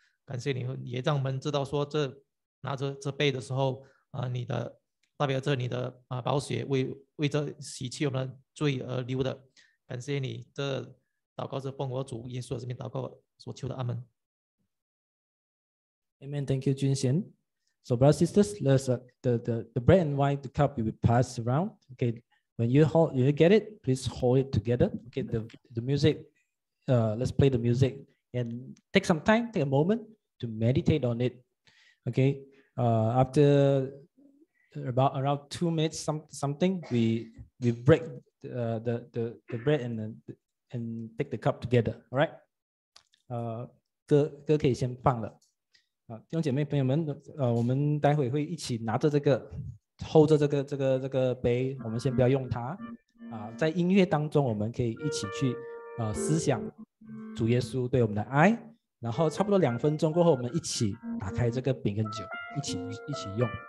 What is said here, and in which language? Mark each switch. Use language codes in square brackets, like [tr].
[zh] 感谢你，也让我们知道说这拿着这杯的时候你的代表着你的宝血为这洗去我们的罪而流的。感谢你，这祷告是奉我主耶稣的名祷告所求的，阿们。 [en] Amen. Thank you, Jun Xian. So brothers and sisters, let's the bread and wine, the cup will be passed around. Okay. When you hold, you get it, please hold it together. Okay, the music, let's play the music and take some time, take a moment to meditate on it. Okay, after around 2 minutes, something, we break the bread and take the cup together. All right, [zh] 歌可以先放了。弟兄姐妹朋友们，我们待会会一起拿着这个。 hold 着这个杯，我们先不要用它在音乐当中我们可以一起去思想主耶稣对我们的爱，然后差不多两分钟过后我们一起打开这个饼跟酒一起用。